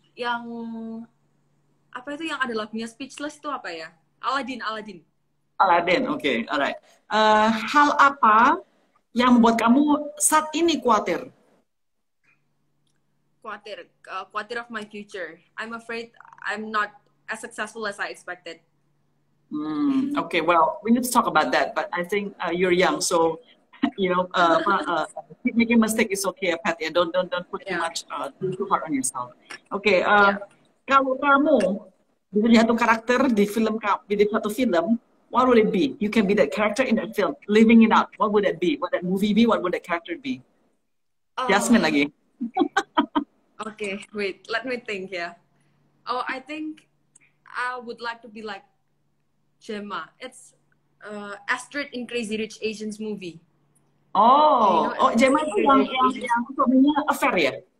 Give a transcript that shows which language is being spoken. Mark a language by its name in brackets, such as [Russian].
[Indonesian] Yang apa itu yang ada lagunya Speechless itu apa ya? [English] Aladdin. Aladdin, okay, alright. [Indonesian] Hal apa yang membuat kamu saat ini khawatir? Khawatir [English] of my future. I'm afraid I'm not as successful as I expected. Okay, well, we need to talk about that, but I think you're young, so, you know, making mistake is okay, Pat, ya. Don't put too much too hard on yourself. [Indonesian] Okay, kalau kamu punya satu karakter di film, di satu film, [English] what would it be? You can be that character in that film, living it out. What would that be? What that movie be? What would that character be? Jasmine lagi. Okay, wait. Let me think. Yeah. Oh, I think I would like to be like Gemma. It's Astrid in Crazy Rich Asians movie. Oh, you know, [Indonesian] Gemma itu yang suaminya affair ya?